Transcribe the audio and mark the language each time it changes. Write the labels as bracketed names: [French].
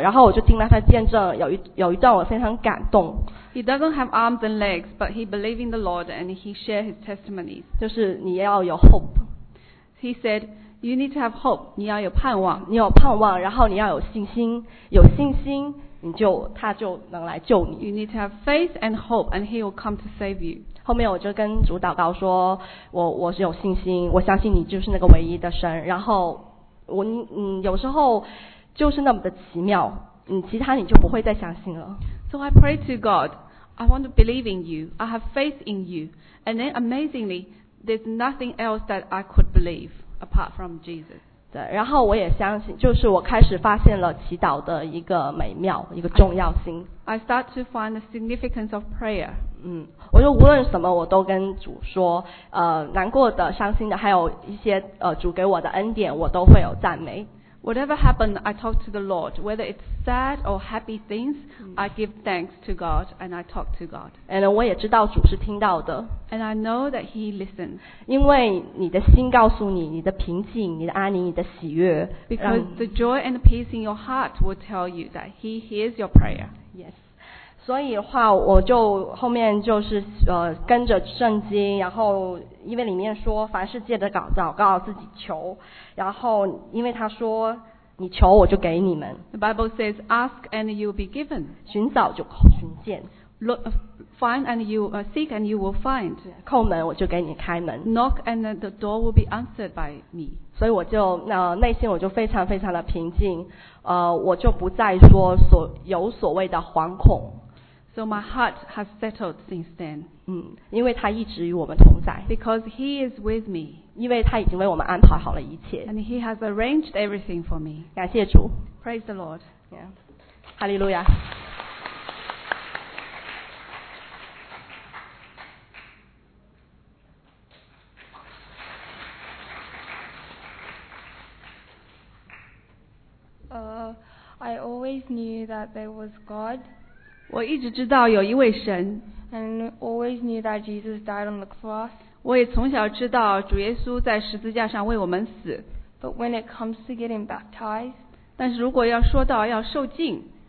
[Chinese] 然后我就听了他的见证，有一段我非常感动。 [English] He doesn't have arms and legs, but he believes in the Lord and he shares his testimonies. [Chinese] 就是你要有 hope. [English] He said, "You need to have hope. [Chinese] 你要有盼望，你有盼望，然后你要有信心，有信心，他就能来救你。 [English] You need to have faith and hope, and he will come to save you." [Chinese] 后面我就跟主祷告说，我是有信心，我相信你就是那个唯一的神。然后我有时候就是那么的奇妙，其他你就不会再相信了。 [English] So I pray to God, I want to believe in you. I have faith in you. And then amazingly, there's nothing else that I could believe apart from Jesus. [Chinese] 对，然后我也相信，就是我开始发现了祈祷的一个美妙，一个重要性。 [English] I start to find the significance of prayer. [Chinese] 我就无论什么我都跟主说，难过的、伤心的，还有一些主给我的恩典，我都会有赞美。 [English] Whatever happened, I talk to the Lord. Whether it's sad or happy things, I give thanks to God and I talk to God. [Chinese] And 我也知道主是听到的。 [English] And I know that He listens. [Chinese] 因为你的心告诉你，你的平静、你的安宁、你的喜悦。 [English] Because the joy and the peace in your heart will tell you that He hears your prayer. Yes. [Chinese] 所以的话我就后面就是跟着圣经，然后因为里面说凡事借着祷告自己求，然后因为他说你求我就给你们。 [English] The Bible says ask and you'll be given， [Chinese] 寻找就寻见。 [English] Find and you seek and you will find， [Chinese] 叩门我就给你开门。 [English] Knock and the door will be answered by me， [Chinese] 所以我就内心我就非常非常的平静，我就不再说有所谓的惶恐。 [English] So my heart has settled since then， [Chinese] 因为他一直与我们同在。 [English] Because he is with me， [Chinese] 因为他已经为我们安排好了一切。 [English] And he has arranged everything for me， [Chinese] 感谢主。 [English] Praise the Lord， Hallelujah。 I always knew that there was God. [Chinese] 我一直知道有一位神。 [English] And always knew that Jesus died on the cross. [Chinese] 我也从小知道主耶稣在十字架上为我们死。 [English] But when it comes to getting baptized, [Chinese] 但是如果要说到要受浸，